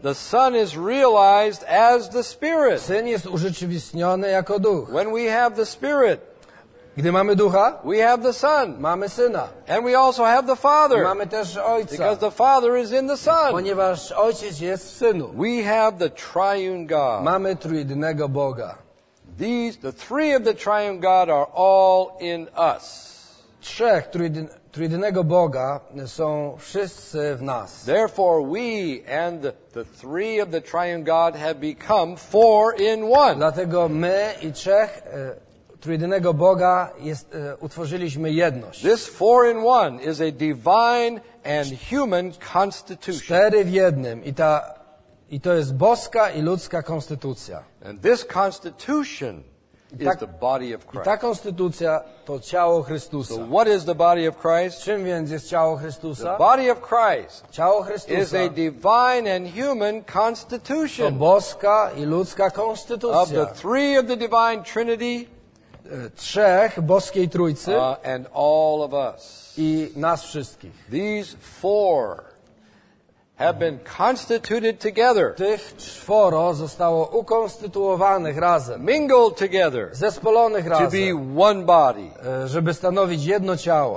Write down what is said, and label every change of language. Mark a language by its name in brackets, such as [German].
[English] The Son is realized as the Spirit. [Polish] Syn jest urzeczywistniony jako Duch. [English] When we have the Spirit, [Polish] gdy mamy Ducha, [English] we have the Son. [Polish] Mamy Syna. [English] And we also have the Father. [Polish] Mamy też Ojca. [English] Because the Father is in the Son. [Polish] Ponieważ Ojciec jest w Synu. [English] We have the Triune God. [Polish] Mamy Trójjednego Boga. [English] The three of the Triune God are all in us. [Polish] Trzech Trójjedynego Boga są wszyscy w nas. [English] Therefore we and the three of the Triune God have become four in one. [Polish] Dlatego my i trzech Trójjedynego Boga utworzyliśmy jedność. [English] This four in one is a divine and human constitution. [Polish] Cztery w jednym i to jest boska i ludzka konstytucja. [English] And this constitution is the body of Christ. [Polish] I ta konstytucja to ciało Chrystusa. [English] So what is the body of Christ? [Polish] Czym więc jest ciało Chrystusa? [English] The body of Christ. [Polish] Ciało Chrystusa. [English] Is a divine and human constitution. [Polish] To boska i ludzka konstytucja. [English] Of the three of the divine Trinity. [Polish] Trzech boskiej Trójcy. [English] And all of us. [Polish] I nas wszystkich. [English] These four have been constituted together. [Polish] Tych czworo zostało ukonstytuowanych razem. [English] Mingled together. [Polish] Zespolonych razem. [English] To be one body. [Polish] Żeby stanowić jedno ciało.